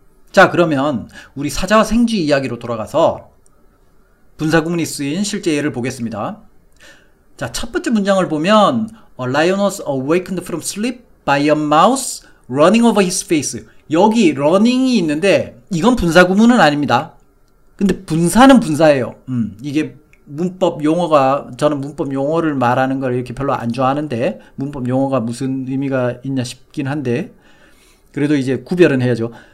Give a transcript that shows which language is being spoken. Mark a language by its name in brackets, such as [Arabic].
[Korean] 자, 그러면 우리 사자 생쥐 이야기로 돌아가서 분사구문이 쓰인 실제 예를 보겠습니다. 자, 첫 번째 문장을 보면 [English] A lion was awakened from sleep by a mouse running over his face. [Korean] 여기 running이 있는데 이건 분사구문은 아닙니다. 근데 분사는 분사예요. 이게 문법 용어가, 저는 문법 용어를 말하는 걸 이렇게 별로 안 좋아하는데 문법 용어가 무슨 의미가 있냐 싶긴 한데 그래도 이제 구별은 해야죠.